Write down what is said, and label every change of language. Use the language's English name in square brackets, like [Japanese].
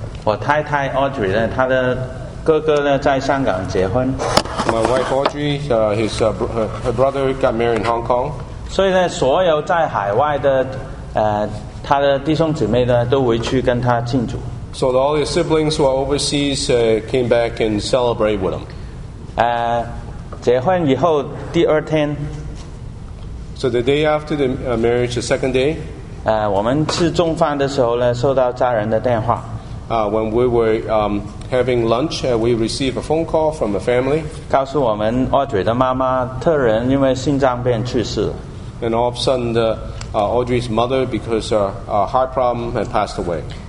[Chinese] 我太太 Audrey 呢，她的哥哥呢， 在香港结婚。 [English] My wife Audrey, her brother got married in Hong Kong. [Chinese] 所以呢， 所有在海外的， 她的弟兄姊妹呢， 都回去跟她庆祝。 [English] So all the siblings who are overseas came back and celebrate with them. [Chinese] 结婚以后第二天， [English] So the day after the marriage, the second day, [Chinese] 我们吃中饭的时候呢， 收到家人的电话。 [English] When we were having lunch, we received a phone call from a family. [Chinese] 告诉我们 Audrey的妈妈 突然因为心脏病去世。 [English] And all of a sudden, Audrey's mother, because of a heart problem, had passed away.